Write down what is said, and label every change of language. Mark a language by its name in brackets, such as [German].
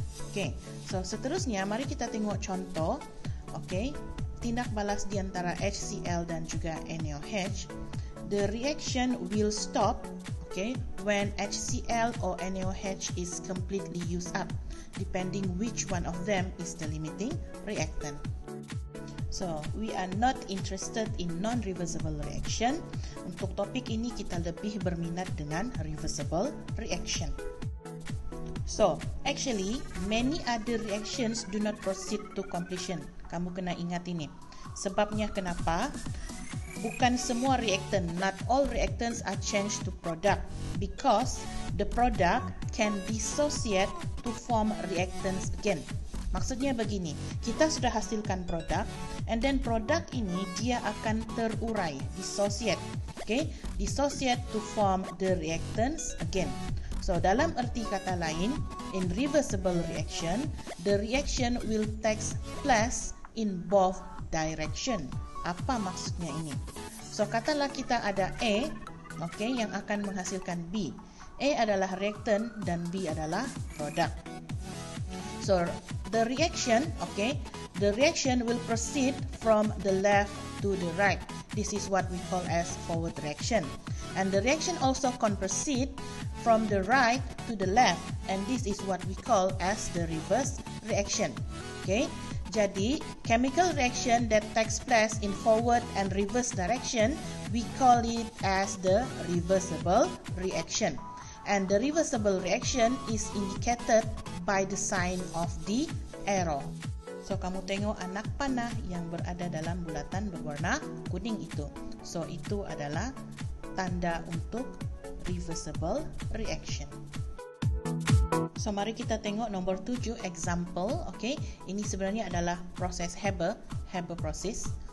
[Malay] Okay, so seterusnya mari kita tengok contoh. Okay, tindak balas di antara HCl dan juga NaOH, [English] the reaction will stop. Okay, when HCl or NaOH is completely used up, depending which one of them is the limiting reactant. So, we are not interested in non-reversible reaction. [Malay] Untuk topik ini kita lebih berminat dengan reversible reaction. [English] So, actually, many other reactions do not proceed to completion. [Malay] Kamu kena ingat ini. Sebabnya kenapa? Bukan semua reactant, [English] not all reactants are changed to product, because the product can dissociate to form reactants again. [Malay] Maksudnya begini, kita sudah hasilkan product, [English] and then [Malay] product ini dia akan terurai, dissociate. [English] Okay, dissociate to form the reactants again. So, [Malay] dalam erti kata lain, [English] in reversible reaction, the reaction will take place in both direction. [Malay] Apa maksudnya ini? So, katalah kita ada A, okay, yang akan menghasilkan B. A adalah reactant dan B adalah product. [English] So, the reaction, okay, the reaction will proceed from the left to the right. This is what we call as forward reaction. And the reaction also can proceed from the right to the left. And this is what we call as the reverse reaction. Okay? Jadi, chemical reaction that takes place in forward and reverse direction, we call it as the reversible reaction. And the reversible reaction is indicated by the sign of the arrow. [Malay] So, kamu tengok anak panah yang berada dalam bulatan berwarna kuning itu. So, itu adalah tanda untuk reversible reaction. So, mari kita tengok nomor 7 example, okay? Ini sebenarnya adalah proses Haber process.